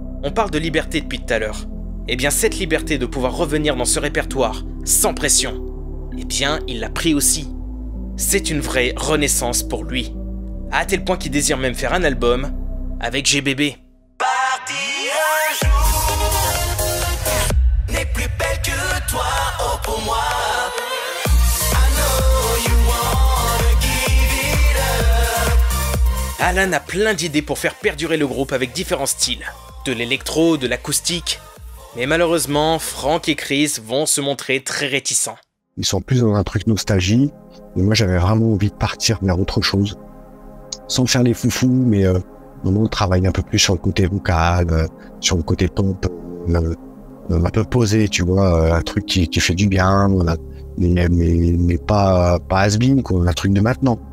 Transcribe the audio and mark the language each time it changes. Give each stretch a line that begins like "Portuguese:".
French: On parle de liberté depuis tout à l'heure. Eh bien, cette liberté de pouvoir revenir dans ce répertoire, sans pression, eh bien, il l'a pris aussi. C'est une vraie renaissance pour lui. À tel point qu'il désire même faire un album avec GBB. Partie un jour, n'est plus belle que toi, oh pour moi.
English: I know you wanna give it up.
French: Alan a plein d'idées pour faire perdurer le groupe avec différents styles. De l'électro, de l'acoustique. Mais malheureusement, Franck et Chris vont se montrer très réticents. Ils sont plus dans un truc nostalgie, et moi j'avais vraiment envie de partir vers autre chose. Sans faire les foufous, mais on travaille un peu plus sur le côté vocal, sur le côté pompe, un peu posé, tu vois, un truc qui fait du bien, mais pas has-been, quoi, un truc de maintenant.